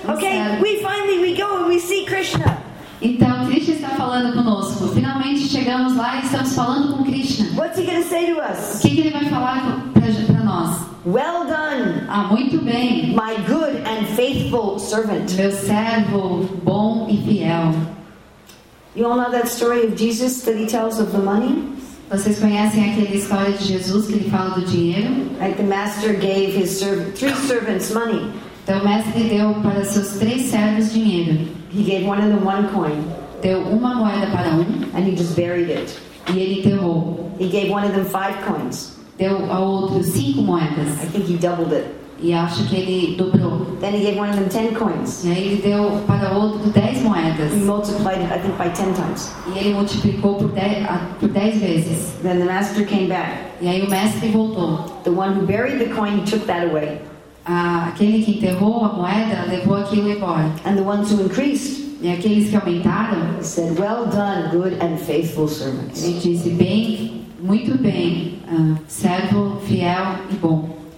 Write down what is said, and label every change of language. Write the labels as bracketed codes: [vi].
[en] Okay, we finally we go and we see Krishna. [pt] Então Krishna está falando conosco. Finalmente chegamos lá e estamos falando com Krishna. [en] What's he going to say to us? [pt] O que ele vai falar para nós? [en] Well done. [pt] Ah, muito bem. [en] My good and faithful servant. [pt] Meu servo bom e fiel. [en] You all know that story of Jesus that he tells of the money? [pt] Vocês conhecem aquela história de Jesus que ele fala do dinheiro? [en] Like the master gave his three servants money. [pt] Então o mestre deu para seus três servos dinheiro. [en] He gave one of them one coin. [pt] Deu uma moeda para um. [en] And he just buried it. [pt] E ele enterrou. [en] He gave one of them five coins. [pt] Deu ao outro cinco moedas. [en] I think he doubled it. [pt] E acho que ele dobrou. [en] Then he gave one of them 10 coins. [pt] E aí ele deu para o outro 10 moedas. [en] He multiplied, I think, by 10 times. [pt] E ele multiplicou por 10 vezes. [en] Then the master came back. [pt] E aí o mestre voltou. [en] The one who buried the coin, he took that away. [pt] Aquele que enterrou a moeda levou aquilo embora. [en] And the ones who increased. [pt] E aqueles que aumentaram. [en] He said, well done, good and faithful servant. [pt] Ele disse, bem, muito bem, servo, fiel e bom.